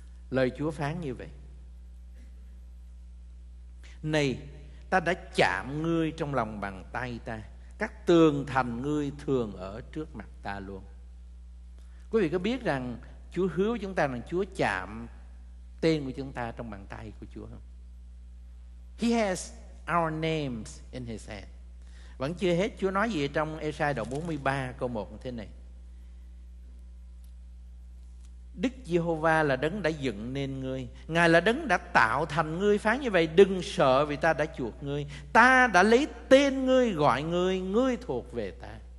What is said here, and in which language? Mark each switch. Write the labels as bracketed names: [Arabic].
[Vietnamese] Lời Chúa phán như vậy: này, ta đã chạm ngươi trong lòng bàn tay ta, các tường thành ngươi thường ở trước mặt ta luôn. Quý vị có biết rằng Chúa hứa với chúng ta rằng Chúa chạm tên của chúng ta trong bàn tay của Chúa không? [English] He has our names in his hand. [Vietnamese] Vẫn chưa hết, Chúa nói gì trong Ê-sai đoạn 43 câu 1 thế này: Đức Giê-hô-va là đấng đã dựng nên ngươi, Ngài là đấng đã tạo thành ngươi. Phán như vậy: đừng sợ, vì ta đã chuộc ngươi, ta đã lấy tên ngươi gọi ngươi, ngươi thuộc về ta.